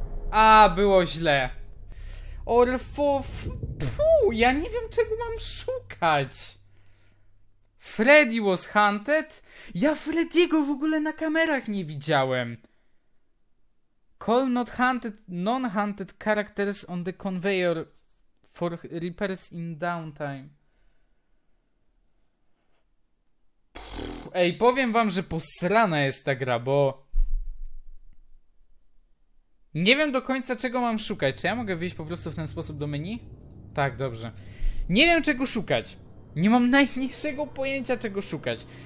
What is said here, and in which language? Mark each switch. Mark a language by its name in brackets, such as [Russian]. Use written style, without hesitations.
[Polish] A, było źle. Orfów... Puh, ja nie wiem, czego mam szukać. [English] Freddy was hunted? [Polish] Ja Freddy'ego w ogóle na kamerach nie widziałem. [English] Call not hunted, non-hunted characters on the conveyor for repairs in downtime. [Polish] Puh, ej, powiem wam, że posrana jest ta gra, bo... Nie wiem do końca, czego mam szukać. Czy ja mogę wyjść po prostu w ten sposób do menu? Tak, dobrze. Nie wiem, czego szukać. Nie mam najmniejszego pojęcia, czego szukać.